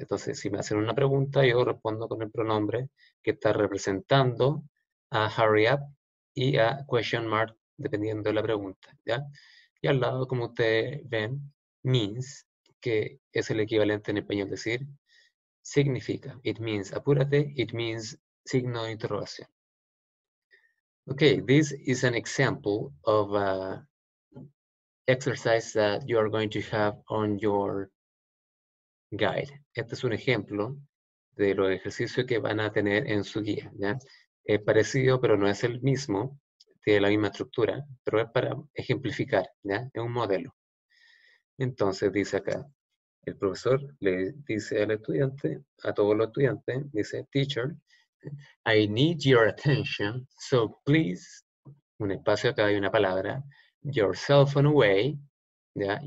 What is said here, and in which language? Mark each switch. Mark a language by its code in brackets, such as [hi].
[es] Entonces, si me hacen una pregunta, yo respondo con el pronombre que está representando a [en] hurry up [es] y a [en] question mark, [es] dependiendo de la pregunta, ¿ya? Y al lado, como ustedes ven, means, que es el equivalente en español decir, significa, [en] it means, [es] apúrate, it means, signo de interrogación. [en] Okay, this is an example of a exercise that you are going to have on your guide. [es] Este es un ejemplo de los ejercicios que van a tener en su guía, ¿ya? Es parecido, pero no es el mismo, tiene la misma estructura, pero es para ejemplificar, ¿ya? Es un modelo. Entonces dice acá, el profesor le dice al estudiante, a todos los estudiantes, dice, [en] teacher, I need your attention, so please, [es] un espacio acá hay una palabra, [en] your cell phone away, [es] ¿ya?